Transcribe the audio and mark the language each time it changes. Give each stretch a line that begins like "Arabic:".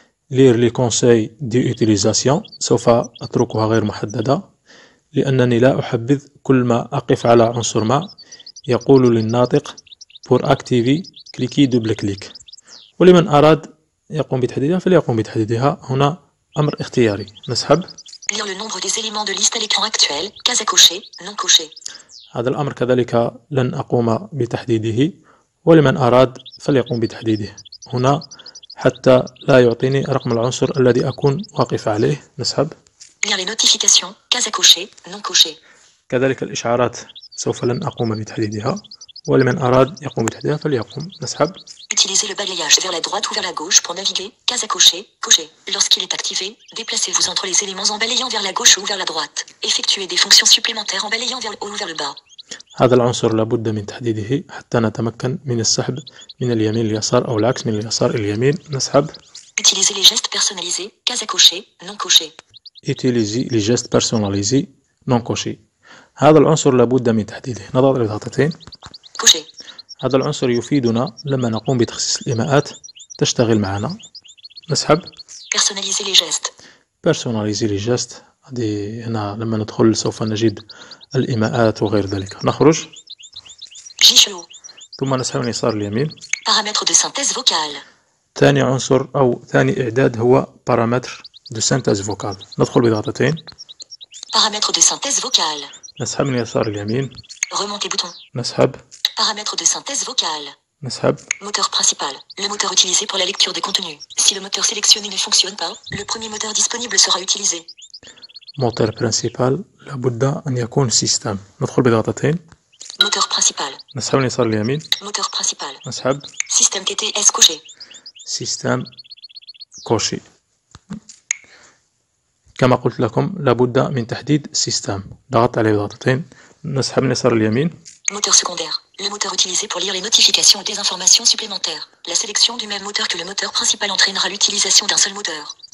French: لير لي كونساي دوتيليزاسيون
Arabic: سوف أتركها غير محددة لأنني لا أحبذ كل ما أقف على عنصر ما يقول للناطق
French: بور أكتيفي كليكي دوبل كليك
Arabic: ولمن أراد يقوم بتحديدها فليقوم بتحديدها هنا أمر اختياري نسحب
French: lire le nombre des éléments de liste à l'écran actuel case à cocher non cocher
Arabic: هذا الأمر كذلك لن أقوم بتحديده ولمن أراد فليقوم بتحديده هنا حتى لا يعطيني رقم العنصر الذي أكون واقف عليه نسحب
French: lire les notifications case à cocher non cocher
Arabic: كذلك الإشعارات سوف لن أقوم بتحديدها ولمن أراد يقوم بتحديدها فليقوم نسحب
French: Utilisez le balayage vers la droite ou vers la gauche pour naviguer. Case à cocher, cocher. Lorsqu'il est activé, déplacez-vous entre les éléments en balayant vers la gauche ou vers la droite. Effectuez des fonctions supplémentaires en balayant vers le haut ou vers le bas.
Arabic: هذا العنصر لابد من تحديده حتى نتمكن من السحب من اليمين اليسار أو العكس من اليسار اليمين. نسحب.
French: Utiliser les gestes personnalisés, cases à cocher, non cocher. Utiliser les gestes personnalisés, non cocher.
Arabic: هذا العنصر لابد من تحديده. نضع الإضافتين.
French: Cocher.
Arabic: هذا العنصر يفيدنا لما نقوم بتخصيص الإيماءات تشتغل معنا. نسحب.
French: Personnaliser les gestes. Personnaliser les gestes.
Arabic: هذه هنا لما ندخل سوف نجد الإيماءات وغير ذلك. نخرج. Gicheau. ثم نسحب من اليسار اليمين.
French: Paramètre de synthèse vocale.
Arabic: ثاني عنصر أو ثاني إعداد هو
French: بارامتر دو سينتاز فوكال.
Arabic: ندخل بضغطتين.
French: بارامتر دو سينتاز فوكال.
Arabic: نسحب من اليسار اليمين.
French: Remonter bouton.
Arabic: نسحب.
French: بارامتر دو سينتاز فوكال.
Arabic: نسحب.
French: Moteur principal. Le moteur utilisé pour la lecture des contenus. Si le moteur sélectionné ne fonctionne pas, le premier moteur disponible sera utilisé. Moteur principal.
Arabic: لابد أن يكون سيستم. ندخل بضغطتين.
French: Moteur principal.
Arabic: نسحب من اليسار اليمين.
French: Moteur principal.
Arabic: نسحب.
French: System TTS couché. سيستم كوشي.
Arabic: كما قلت لكم لابد من تحديد سيستم. ضغط عليه بضغطتين. نسحب من اليسار اليمين.
French: موتور سكوندير. Le moteur utilisé pour lire les notifications ou des informations supplémentaires. La sélection du même moteur que le moteur principal entraînera l'utilisation d'un seul moteur.